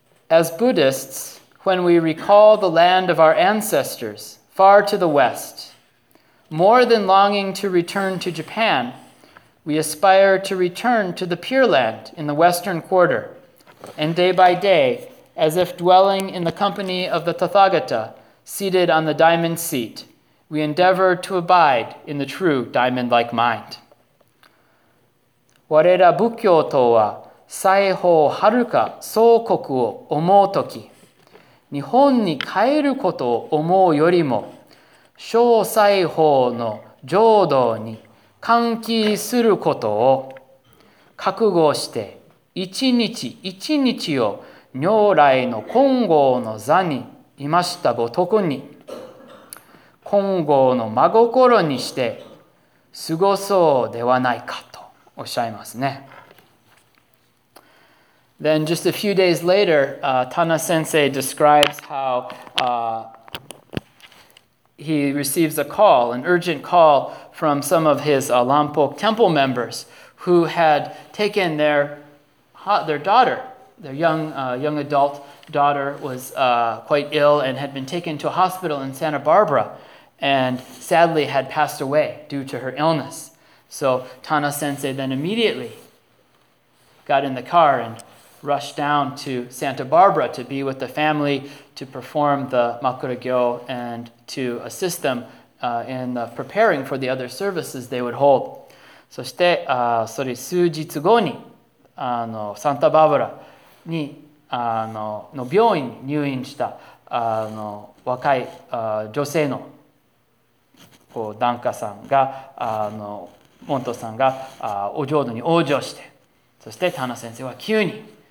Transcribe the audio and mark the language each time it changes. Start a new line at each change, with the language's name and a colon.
English: As Buddhists, when we recall the land of our ancestors far to the west, more than longing to return to Japan, we aspire to return to the Pure Land in the western quarter, and day by day, as if dwelling in the company of the Tathagata seated on the diamond seat, we endeavor to abide in the true diamond-like mind.
Japanese: Wareda Bukkyo to wa 西方遥か宋国を思うとき、日本に帰ることを思うよりも、小西方の浄土に歓喜することを覚悟して、一日一日を如来の金剛の座にいましたごとくに、金剛の真心にして、過ごそうではないかとおっしゃいますね。
English: Then just a few days later, Tana Sensei describes how he receives a call, an urgent call from some of his Lampok temple members who had taken their daughter, their young adult daughter was quite ill and had been taken to a hospital in Santa Barbara and sadly had passed away due to her illness. So Tana Sensei then immediately got in the car and rushed down to Santa Barbara to be with the family, to perform the Makura Gyo and to assist them in the preparing for the other services they would hold.
Japanese: そして、それ数日後に、サンタバーバラに、の病院に入院した、若い、女性の、こう、檀家さんが、モントさんが、お浄土に往生して、そして、タナ先生は急に、